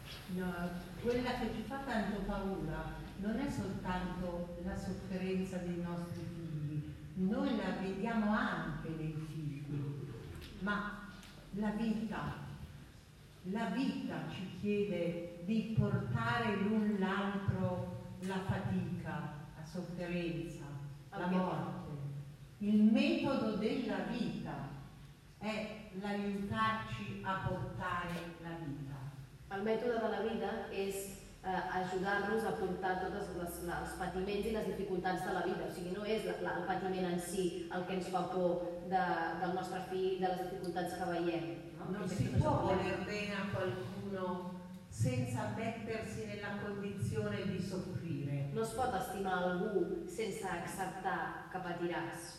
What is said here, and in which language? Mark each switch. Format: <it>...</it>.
<it>Quella che ci fa tanto paura non è soltanto la sofferenza dei nostri figli, noi la vediamo anche nei figli, ma la vita ci chiede di portare l'un l'altro la fatica, la sofferenza, la morte. Il metodo della vita è l'aiutarci a portare la vita.</it> <ca>El mètode de la vida és ajudar-nos a portar tots els patiments i les dificultats de la vida. O sigui, no és el patiment en si el que ens fa por del nostre fill, de les dificultats que veiem.</ca> <it>No si può voler bene a qualcuno senza mettersi nella condizione di soffrire.</it> <ca>No es pot estimar algú sense acceptar que patiràs.</ca>